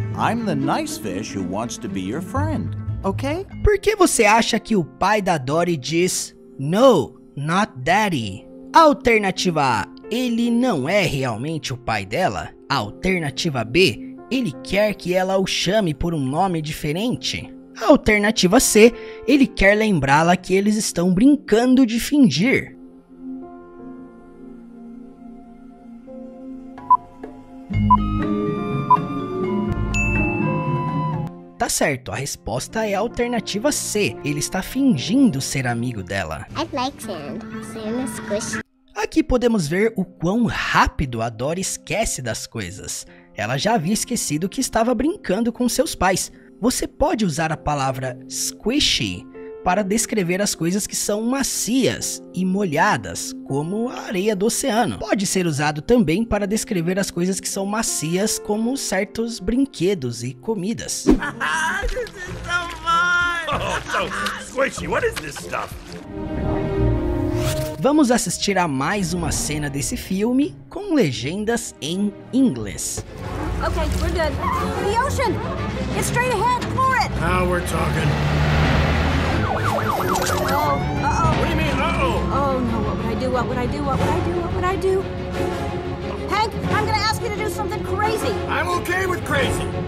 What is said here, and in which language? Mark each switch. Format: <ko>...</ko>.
<en>I'm the nice fish who wants to be your friend. Okay?</en> <pt>Por que você acha que o pai da Dory diz</pt> <en>no, not daddy?</en> <pt>Alternativa A, ele não é realmente o pai dela? Alternativa B, ele quer que ela o chame por um nome diferente? Alternativa C, ele quer lembrá-la que eles estão brincando de fingir. Tá tá certo, a resposta é a alternativa C. Ele está fingindo ser amigo dela.</pt> <en>I'd like sand. Sand is squishy.</en> <pt>Aqui podemos ver o quão rápido a Dory esquece das coisas. Ela já havia esquecido que estava brincando com seus pais. Você pode usar a palavra squishy para descrever as coisas que são macias e molhadas, como a areia do oceano. Pode ser usado também para descrever as coisas que são macias, como certos brinquedos e comidas.</pt> <en>This is so fun! Oh, so squishy, what is this stuff?</en> <pt>Vamos assistir a mais uma cena desse filme com legendas em inglês.</pt> <en>Okay, we're good. The ocean! It's straight ahead, for it! Now we're talking. Uh-oh. What do you mean, uh-oh? Oh, no, what would I do? Hank, I'm gonna ask you to do something crazy. I'm okay with crazy.</en>